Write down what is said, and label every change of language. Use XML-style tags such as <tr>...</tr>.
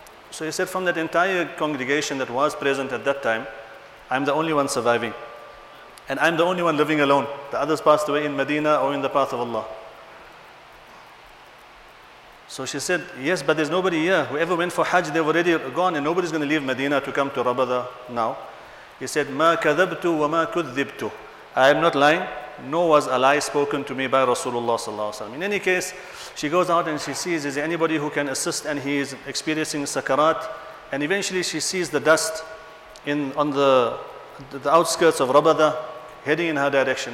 <en>So he said, from that entire congregation that was present at that time, I'm the only one surviving. And I'm the only one living alone. The others passed away in Medina or in the path of Allah. So she said, yes, but there's nobody here. Whoever went for Hajj, they've already gone, and nobody's going to leave Medina to come to Rabada now. He said,</en> <ar>ما كذبت وما كذبت.</ar> <en>I am not lying, nor was a lie spoken to me by Rasulullah sallallahu alaihi wasallam. In any case, she goes out and she sees, is there anybody who can assist, and he is experiencing sakarat. And eventually she sees the dust on the outskirts of Rabada, heading in her direction.</en>